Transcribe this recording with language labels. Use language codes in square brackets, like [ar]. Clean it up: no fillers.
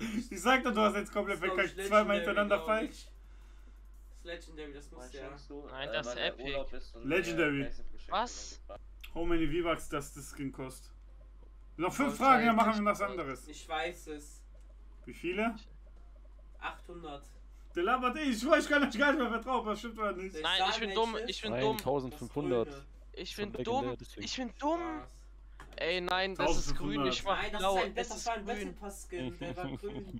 [de] Ich sag doch, du hast jetzt komplett verklickt. Zweimal hintereinander falsch. Das ist legendary, das muss ja. Nein, das ist epic. Legendary. Was? [en] How many V-Bucks does this skin cost? [de] Noch 5 Fragen, dann machen wir was anderes. Ich weiß es. Wie viele? 800. Der labert eh, ich kann euch gar nicht mehr vertrauen, das stimmt oder nicht. Nein, ich bin dumm, ich bin dumm. 1500. Ich bin dumm, ich bin dumm. Ey, nein, das ist grün, ich war blau, das ist grün.